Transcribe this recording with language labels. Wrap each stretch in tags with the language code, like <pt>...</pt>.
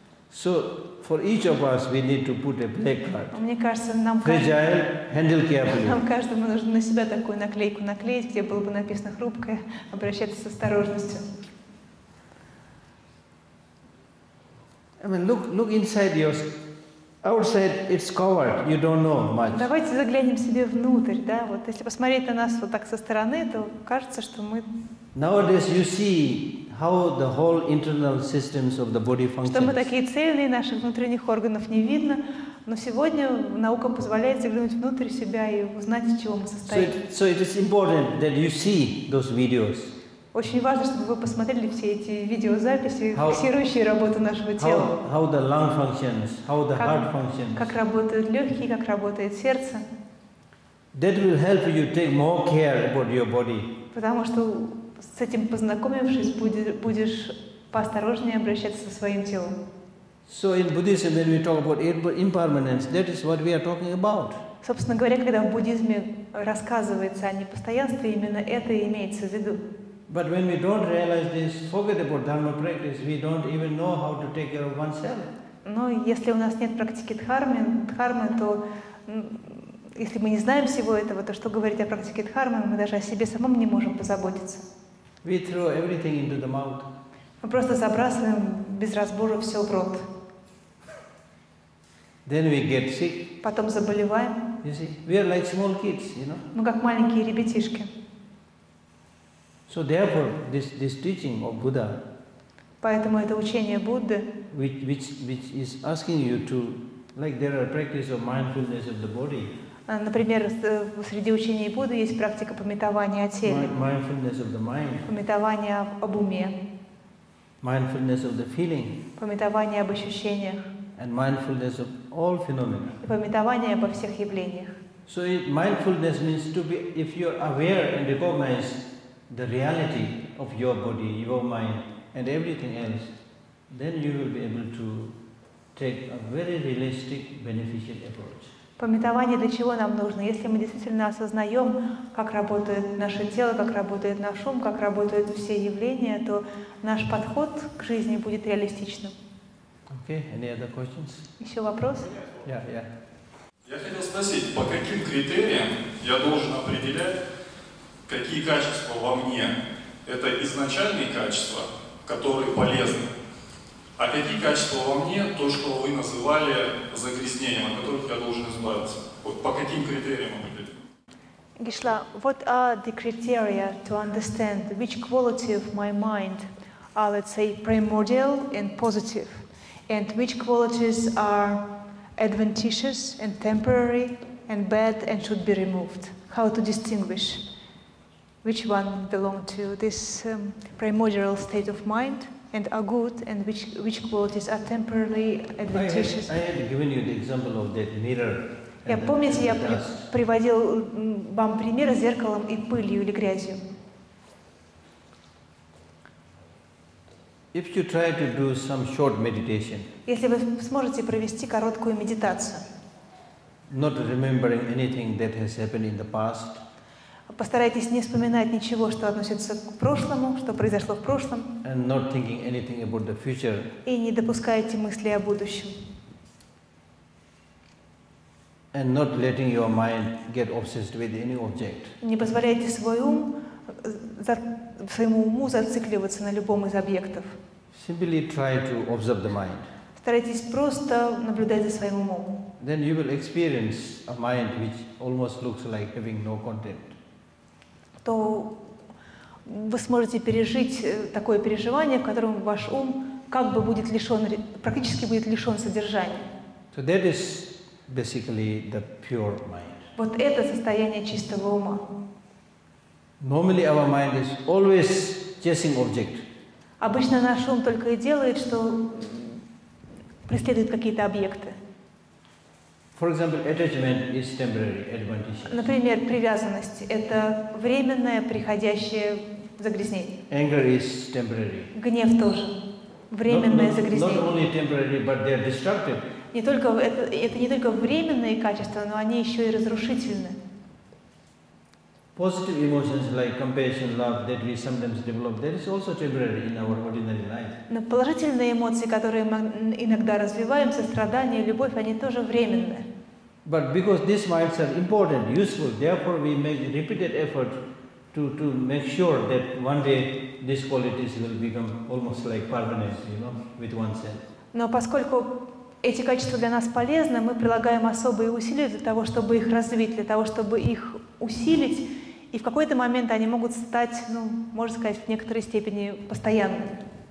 <en>So for each of us we need to put a placard.</en> <ru>Мне кажется, нам</ru> <en>fragile, handle carefully.</en> <ru>Нам каждому нужно на себя такую наклейку наклеить, где было бы написано хрупкое, обращаться с осторожностью.</ru> <en>I mean, look inside your outside it's covered, you don't know much.</en> <ru>Давайте заглянем себе внутрь, да? Вот если посмотреть на нас вот так со стороны, то кажется, что мы</ru> <en>nowadays you see how the whole internal systems of the body functions.</en> <ru>Что мы такие цельные, наших внутренних органов не видно, но сегодня наука позволяет заглянуть внутрь себя и узнать, из чего мы состоим.</ru> <en>So it is important that you see those videos.</en> <ru>Очень важно, чтобы вы посмотрели все эти видеозаписи, фиксирующие работу нашего тела.</ru> <en>How the lung functions, how the heart functions.</en> <ru>Как работают легкие, как работает сердце.</ru> <en>That will help you take more care about your body.</en> <ru>Потому что с этим познакомившись, будешь поосторожнее обращаться со своим телом.</ru> <en>So in Buddhism, when we talk about impermanence, that is what we are talking about.</en> <ru>Собственно говоря, когда в буддизме рассказывается о непостоянстве, именно это имеется в виду.</ru> <en>But when we don't realize this, forget about dharma practice, we don't even know how to take care of oneself.</en> <ru>Но если у нас нет практики дхармы, то если мы не знаем всего этого, то что говорить о практике дхармы, мы даже о себе самом не можем позаботиться.</ru> <en>We throw everything into the mouth.</en> <ru>Мы просто забрасываем без разбора все в рот.</ru> <en>Then we get sick.</en> <ru>Потом заболеваем.</ru> <en>You see, we are like small kids, you know.</en> <ru>Мы как маленькие ребятишки.</ru> <en>So therefore, this teaching of Buddha.</en> <ru>Поэтому это учение Будды.</ru> <en>Which is asking you to, like there are practices of mindfulness of the body.</en> <ru>Например, среди учений Будды есть практика памятования о теле.</ru> <en>Mindfulness of the mind.</en> <ru>Памятование об уме.</ru> <en>Mindfulness of the feeling.</en> <ru>Памятование об ощущениях.</ru> <en>And mindfulness of all phenomena.</en> <ru>И памятование обо всех явлениях.</ru> <en>So mindfulness means to be, if you are aware and recognize the reality of your body, your mind, and everything else, then you will be able to take a very realistic, beneficial approach.</en> <ru>Памятование для чего нам нужно? Если мы действительно осознаем, как работает наше тело, как работает наш ум, как работают все явления, то наш подход к жизни будет реалистичным.</ru> <en>Okay, any other questions?</en> <ru>Еще вопрос? Я хотел спросить, по каким критериям я должен определять, какие качества во мне это изначальные качества, которые полезны? А какие качества во мне, то, что вы называли загрязнением, от которых я должен избавиться? Вот по каким критериям определить?</ru> <en>Гишла, what are the criteria to understand which quality of my mind are, let's say, primordial and positive, and which qualities are adventitious and temporary and bad and should be removed? How to distinguish which one belong to this primordial state of mind? And are good, and which qualities are temporarily adventitious. I had given you the example of that mirror.</en> <ru>Я помните, я приводил вам пример с зеркалом и пылью или грязью.</ru> <en>If you try to do some short meditation.</en> <ru>Если вы сможете провести короткую медитацию.</ru> <en>Not remembering anything that has happened in the past.</en> <ru>Постарайтесь не вспоминать ничего, что относится к прошлому, что произошло в прошлом.</ru> <en>And not thinking anything about the future.</en> <ru>И не допускайте мысли о будущем.</ru> <en>And not letting your mind get obsessed with any object.</en> <ru>Не позволяйте своему уму зацикливаться на любом из объектов.</ru> <en>Simply try to observe the mind.</en> <ru>Старайтесь просто наблюдать за своим умом.</ru> <en>Then you will experience a mind which almost looks like having no content.</en> <ru>То вы сможете пережить такое переживание, в котором ваш ум как бы будет лишён, практически будет лишён содержания.</ru> <en>So that is basically the pure mind.</en> <ru>Вот это состояние чистого ума.</ru> <en>Normally our mind is always chasing object.</en> <ru>Обычно наш ум только и делает, что преследует какие-то объекты.</ru> <en>For example, attachment is temporary advantage.</en> <ru>Например, привязанность – это временное, приходящее загрязнение.</ru> <en>Anger is temporary.</en> <ru>Гнев тоже. Временное загрязнение.</ru> <en>Not only temporary, but they are destructive.</en> <ru>Не только, это не только временные качества, но они еще и разрушительны.</ru> <en>Positive emotions like compassion, love that we sometimes develop, that is also temporary in our ordinary life.</en> <ru>Но положительные эмоции, которые мы иногда развиваем, сострадание, любовь, они тоже временные.</ru> <en>But because these minds are important, useful, therefore we make repeated effort to make sure that one day these qualities will become almost like permanent, you know, with oneself.</en> <ru>Но поскольку эти качества для нас полезны, мы прилагаем особые усилия для того, чтобы их развить, для того, чтобы их усилить, и в какой-то момент они могут стать, ну, можно сказать, в некоторой степени постоянными.</ru>